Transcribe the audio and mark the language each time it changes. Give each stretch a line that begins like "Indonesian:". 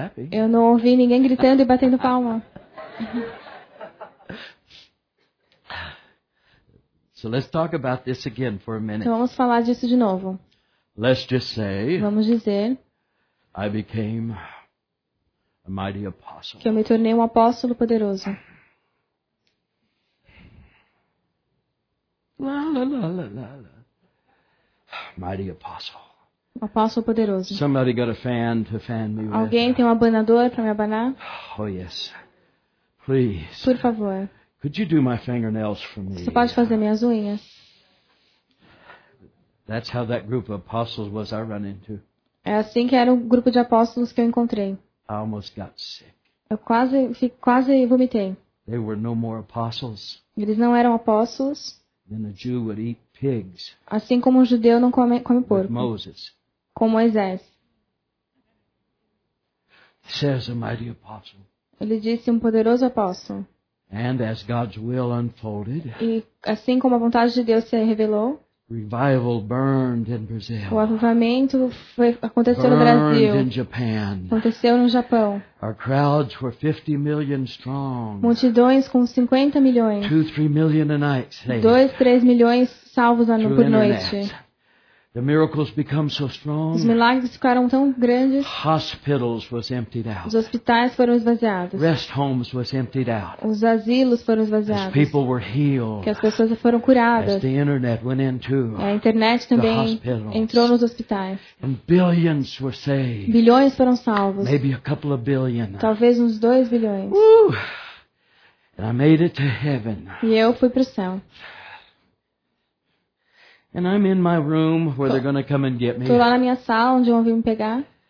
Portuguese: Eu não ouvi ninguém gritando e batendo palma.
English: So let's talk about this again for a minute.
Portuguese: Então vamos falar disso de novo.
English: Let's just say,
Portuguese: vamos dizer,
English: I became a mighty apostle.
Portuguese: Que eu me tornei um apóstolo poderoso.
English: La, la, la, la, la, la. Mighty apostle.
Portuguese: Um apóstolo poderoso.
English: Somebody got a fan to fan me.
Portuguese: Alguém
English: with.
Portuguese: Tem um abanador para me abanar?
English: Oh yes, please.
Portuguese: Por favor.
English: Could you do my fingernails for me?
Portuguese: Você pode fazer minhas unhas.
English: That's how that group of apostles was I run into.
Portuguese: É assim que era o grupo de apóstolos que eu encontrei.
English: I almost got sick.
Portuguese: Eu quase vomitei.
English: They were no more apostles.
Portuguese: Eles não eram apóstolos.
English: Then a Jew would eat pigs.
Portuguese: Assim como um judeu não come porco.
English: With Moses.
Portuguese: Com Moisés.
English: Says a mighty apostle.
Portuguese: Ele disse um poderoso apóstolo.
English: And as God's will unfolded,
Portuguese: e assim como a vontade de Deus se revelou,
English: revival burned in Brazil,
Portuguese: o avivamento aconteceu no Brasil,
English: in Japan,
Portuguese: aconteceu no Japão,
English: our crowds were 50 million strong,
Portuguese: multidões com 50 milhões,
English: 2-3 million a night,
Portuguese: 2-3 milhões salvos ano, por noite.
English: The miracles become so strong.
Portuguese: Os milagres ficaram tão grandes.
English: Hospitals was emptied out.
Portuguese: Os hospitais foram esvaziados.
English: Rest homes was emptied out.
Portuguese: Os asilos foram esvaziados.
English: As people were healed.
Portuguese: Que as pessoas foram curadas.
English: As the internet went into.
Portuguese: A internet também entrou nos hospitais.
English: And billions were saved.
Portuguese: Bilhões foram salvos.
English: Maybe a couple of billion.
Portuguese: Talvez uns 2 bilhões.
English: And I made it to heaven.
Portuguese: E eu fui para o céu.
English: And I'm in my room where they're going to come and get me.
Portuguese: Tô lá na minha sala onde vão vir me pegar.